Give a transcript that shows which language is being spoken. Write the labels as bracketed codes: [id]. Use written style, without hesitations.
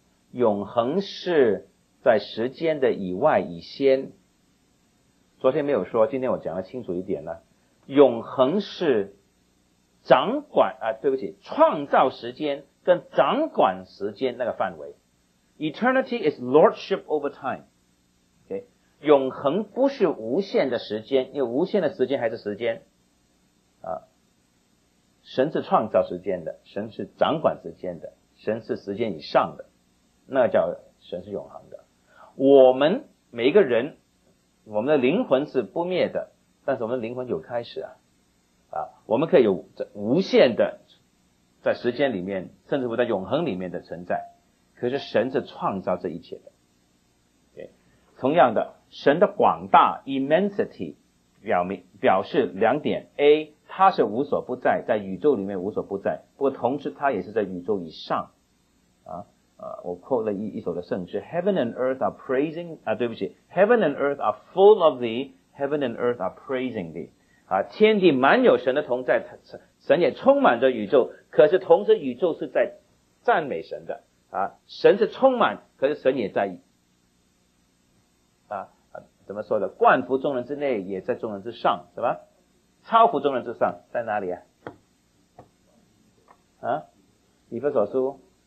[zh] 永恒是在时间的以外以先。昨天没有说，今天我讲得清楚一点了。永恒是掌管啊，对不起，创造时间跟掌管时间那个范围。 [en] Eternity is lordship over time. Okay? [zh] 永恒不是无限的时间，因为无限的时间还是时间。神是创造时间的，神是掌管时间的，神是时间以上的，那叫神是永恒的。我们每一个人，我们的灵魂是不灭的，但是我们的灵魂有开始我们可以有无限的在时间里面，甚至乎在永恒里面的存在。可是神是创造这一切的。 [en] Okay? [zh] 同样的，神的广大 immensity 表示两点 ：A， 他是无所不在，在宇宙里面无所不在，不过同时他也是在宇宙以上。我 [en] quote [zh] 了一首的圣诗 [en] ：Heaven and earth are praising Heaven and earth are full of thee. Heaven and earth are praising thee。 [zh] 天地满有神的同在，神也充满着宇宙，可是同时宇宙是在赞美神的。神是充满，可是神也在怎么说的？冠服众人之内，也在众人之上，是吧？超乎众人之上，在哪里啊？以弗所书。